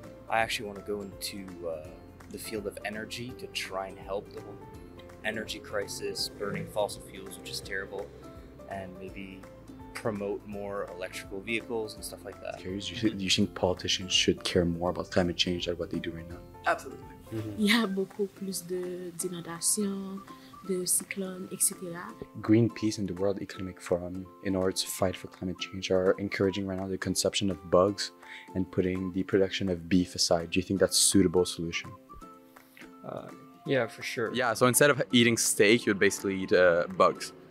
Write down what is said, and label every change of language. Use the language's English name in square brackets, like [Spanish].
[English] I actually want to go into the field of energy to try and help the whole energy crisis, burning fossil fuels, which is terrible, and maybe promote more electrical vehicles and stuff like that. You think politicians should care more about climate change than what they do right now? Absolutely. [French] Il y a beaucoup plus de d'inondations, de cyclones, etc. [English] Greenpeace and the World Economic Forum, in order to fight for climate change, are encouraging right now the consumption of bugs and putting the production of beef aside. Do you think that's a suitable solution? Yeah, for sure. Yeah, so instead of eating steak, you would basically eat bugs.